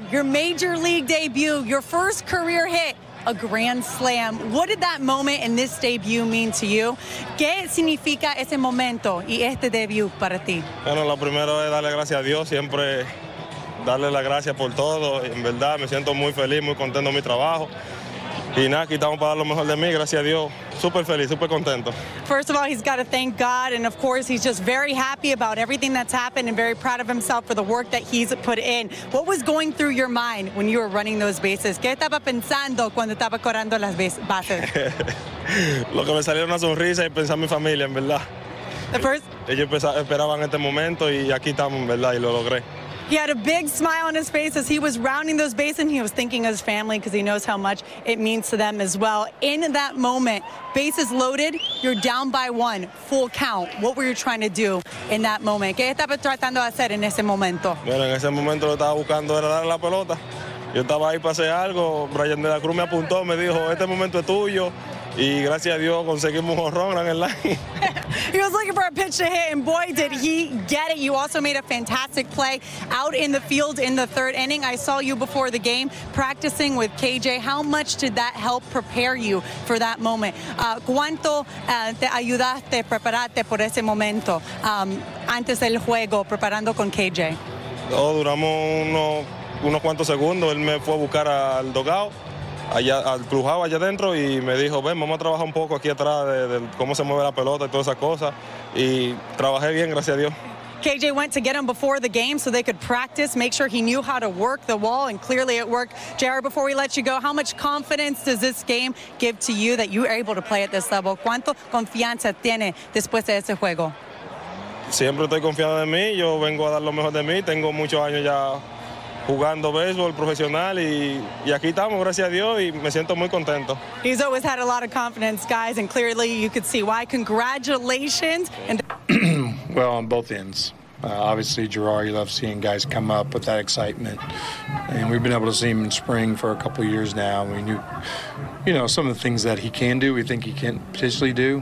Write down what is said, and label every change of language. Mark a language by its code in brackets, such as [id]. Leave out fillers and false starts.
[en] Your major league debut, your first career hit, a grand slam. What did that moment and this debut mean to you? [es] ¿Qué significa ese momento y este debut para ti? Bueno, lo primero es darle gracias a Dios, siempre darle las gracias por todo. En verdad, me siento muy feliz, muy contento de mi trabajo. Y nada, aquí estamos para dar lo mejor de mí, gracias a Dios. Super feliz, super contento. [en] First of all, he's got to thank God, and of course, he's just very happy about everything that's happened and very proud of himself for the work that he's put in. What was going through your mind when you were running those bases? [es] ¿Qué estaba pensando cuando estaba corriendo las bases? Lo que me salió una sonrisa y pensar en mi familia, en verdad. [en] The first? [es] Ellos esperaban este momento y aquí estamos, en verdad, y lo logré. [en] He had a big smile on his face as he was rounding those bases, and he was thinking of his family because he knows how much it means to them as well. In that moment, bases loaded, you're down by one, full count. What were you trying to do in that moment? [es] ¿Qué estaba tratando de hacer en ese momento? Bueno, en ese momento lo estaba buscando era dar la pelota. Yo estaba ahí para hacer algo. Brian de la Cruz me apuntó, me dijo, este momento es tuyo. Y gracias a Dios conseguimos un jonrón en el line. [en] He was looking for a pitch to hit, and boy, did he get it. You also made a fantastic play out in the field in the third inning. I saw you before the game practicing with KJ. How much did that help prepare you for that moment? [es] ¿Cuánto te ayudaste, preparaste por ese momento antes del juego, preparando con KJ? No, duramos unos cuantos segundos. Él me fue a buscar al dugout. Allá, al clubhouse allá adentro y me dijo, ven, vamos a trabajar un poco aquí atrás de cómo se mueve la pelota y todas esas cosas. Y trabajé bien, gracias a Dios. [en] KJ went to get him before the game so they could practice, make sure he knew how to work the wall, and clearly it worked. Jerar, before we let you go, how much confidence does this game give to you that you are able to play at this level? [es] ¿Cuánto confianza tiene después de este juego? Siempre estoy confiado en mí. Yo vengo a dar lo mejor de mí. Tengo muchos años ya jugando béisbol profesional y aquí estamos, gracias a Dios, y me siento muy contento. [en] He's always had a lot of confidence, guys, and clearly you could see why. Congratulations. And well, on both ends. Obviously, Jerar, you love seeing guys come up with that excitement. And we've been able to see him in spring for a couple of years now. We knew, you know, some of the things that he can do, we think he can potentially do.